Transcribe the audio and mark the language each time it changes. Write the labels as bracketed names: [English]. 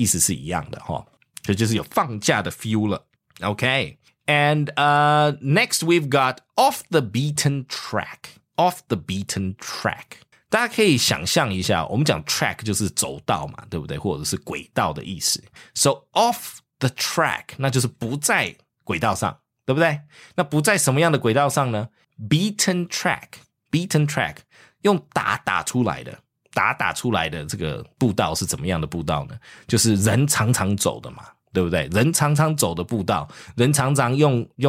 [Chinese] 意思是一样的、哦、所以就是有放假的 feel 了。 [English] Okay. And, next we've got off the beaten track. Off the beaten track. [Chinese] 大家可以想象一下我们讲 track 就是走道嘛对不对或者是轨道的意思。 [English] So off the track, [Chinese] 那就是不在轨道上对不对那不在什么样的轨道上呢 ? [English] beaten track, beaten track, [Chinese] 用打出来的这个步道是怎么样的步道呢就是人常常走的嘛对不对人常常走的步道人常常用